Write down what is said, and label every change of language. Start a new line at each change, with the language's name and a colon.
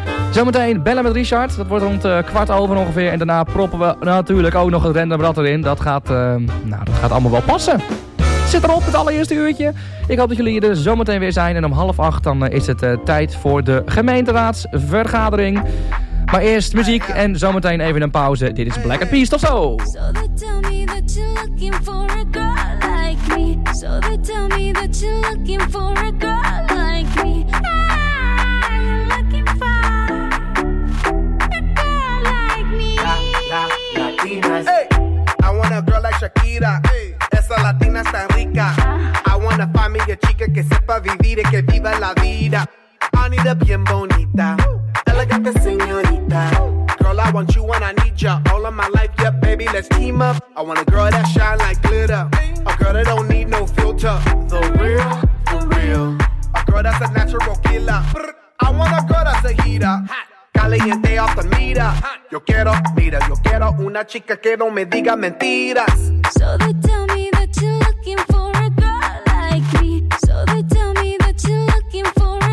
Dutch: Zometeen bellen met Richard. Dat wordt rond 15:15 ongeveer. En daarna proppen we natuurlijk ook nog het random rat erin. Dat gaat, dat gaat allemaal wel passen. Zit erop het allereerste uurtje. Ik hoop dat jullie er zometeen weer zijn. En om 19:30 dan is het tijd voor de gemeenteraadsvergadering. Maar eerst muziek en zometeen even een pauze. Dit is Black & Peace, tot zo!
English: So they tell me that you're looking for a girl like me. So they tell me that you're looking for a girl like me. I'm looking for a girl like me. Hey, I want a girl like Shakira. Hey,
Spanish: esa latina está rica.
English: I want a
Spanish: familia chica que sepa vivir y que viva la vida.
English: I need a
Spanish: bien bonita. Elegante señorita.
English: Girl, I want you when I need ya. All of my life, yeah, baby, let's team up. I want a girl that shine like glitter. A girl that don't need no filter. The real, for real. A girl that's a natural killer. I want a girl that's a heater. Caliente off the meter.
Spanish: Yo quiero, mira, yo quiero una chica que no me diga mentiras.
English: So they tell me that you're looking for a girl like me. So they tell me that you're looking for.